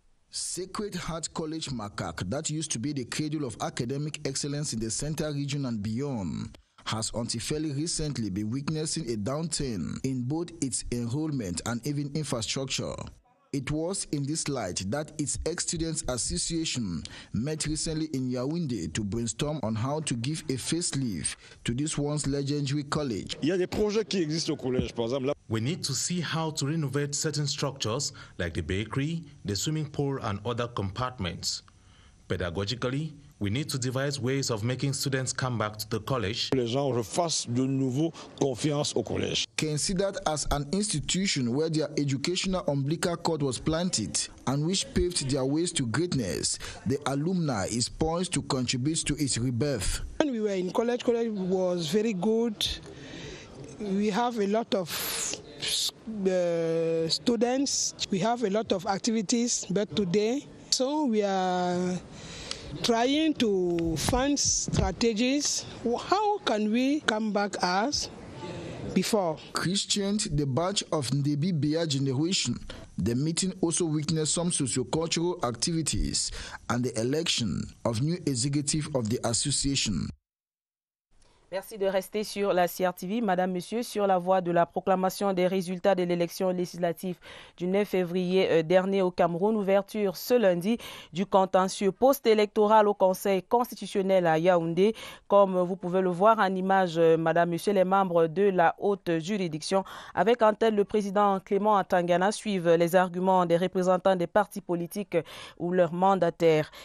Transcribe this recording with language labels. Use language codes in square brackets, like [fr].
[en] Sacred Heart College, Makak, that used to be the cradle of academic excellence in the Center Region and beyond, has until fairly recently been witnessing a downturn in both its enrollment and even infrastructure. It was in this light that its ex-students association met recently in Yaoundé to brainstorm on how to give a facelift to this once legendary college. [fr] Il y a des projets qui existent au collège, par exemple. [en] We need to see how to renovate certain structures like the bakery, the swimming pool and other compartments. Pedagogically, we need to devise ways of making students come back to the college. [fr] Les gens refassent de nouveau confiance au collège. [en] Considered as an institution where their educational umbilical cord was planted and which paved their ways to greatness, the alumni is poised to contribute to its rebirth. When we were in college, college was very good. We have a lot of students. We have a lot of activities. But today, so we are trying to find strategies. How can we come back as before? Christian, the batch of Ndebi Bia generation, the meeting also witnessed some sociocultural activities and the election of new executive of the association. [fr] Merci de rester sur la CRTV, Madame, Monsieur, sur la voie de la proclamation des résultats de l'élection législative du 9 février dernier au Cameroun. Ouverture ce lundi du contentieux post-électoral au Conseil constitutionnel à Yaoundé. Comme vous pouvez le voir en image, Madame, Monsieur, les membres de la haute juridiction, avec en tête le président Clément Atangana, suivent les arguments des représentants des partis politiques ou leurs mandataires.